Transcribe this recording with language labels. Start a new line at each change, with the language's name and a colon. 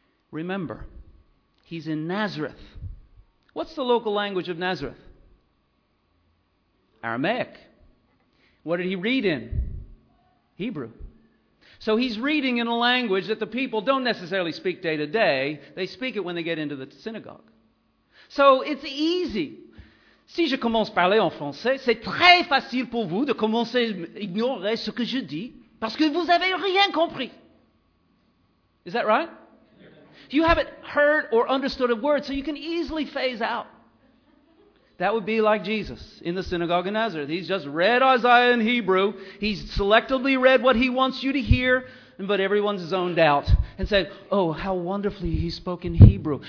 English: Remember, he's in Nazareth. What's the local language of Nazareth? Aramaic. What did he read in? Hebrew. So he's reading in a language that the people don't necessarily speak day to day. They speak it when they get into the synagogue. So it's easy.
French: Si je commence à parler en français, c'est très facile pour vous de commencer à ignorer ce que je dis, parce que vous n'avez rien compris.
English: Is that right? You haven't heard or understood a word, so you can easily phase out. That would be like Jesus in the synagogue in Nazareth. He's just read Isaiah in Hebrew. He's selectively read what he wants you to hear, but everyone's zoned out and said, oh, how wonderfully he spoke in Hebrew.